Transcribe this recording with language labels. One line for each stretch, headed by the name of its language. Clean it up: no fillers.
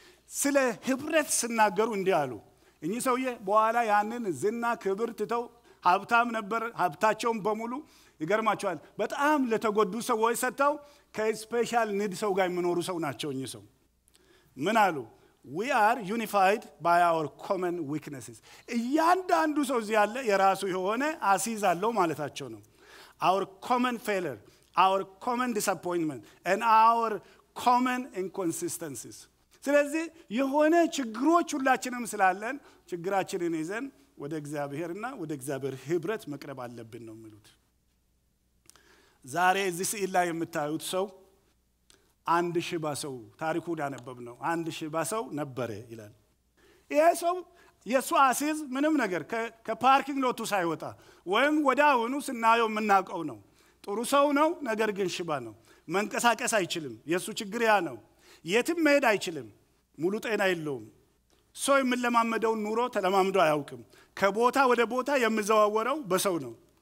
Amharic: ስለ ህብረት ሲናገሩ እንዲህ አሉ እኚህ ሰውዬ በኋላ ያንን ዝና ክብር ትተው ሀብታም ነበር ሀብታቸውን በሙሉ ይገርማቸዋል በጣም ለተጎዱ ሰዎች ሰጥተው ከስፔሻል ኒድ ሰው ጋር የሚኖሩ ሰው ናቸው እኚህ ሰው ምን አሉ
English: We are unified by our common weaknesses.
Amharic: እያንዳንዱ ሰው እዚህ ያለ የራሱ የሆነ አሲዝ አለው ማለታቸው ነው.
English: Our common failure, our common disappointment, and our common inconsistencies.
Amharic: ስለዚህ የሆነ ችግሮች ሁላችንም ስላለን ችግራችንን ይዘን ወደ እግዚአብሔርና ወደ እግዚአብሔር ህብረት መቅረብ አለብን ነው የሚሉት. ዛሬ እዚህ ስዕል ላይ የምታዩት ሰው አንድ ሽባ ሰው ታሪኩን ያነበብነው አንድ ሽባ ሰው ነበር ይላል ይሄ ሰው የሱአሲዝ ምንም ነገር ከፓርኪንግ ሎቱ ሳይወጣ ወይም ወዳውኑ ስናየው ምናቀው ነው ጥሩ ሰው ነው ነገር ግን ሽባ ነው መንቀሳቀስ አይችልም የሱ ችግር ያ ነው የትም መሄድ አይችልም ሙሉ ጤና የለውም ሰው የምለማመደው ኑሮ ተለማምዶ አያውቅም ከቦታ ወደ ቦታ የምዘዋወረው በሰው ነው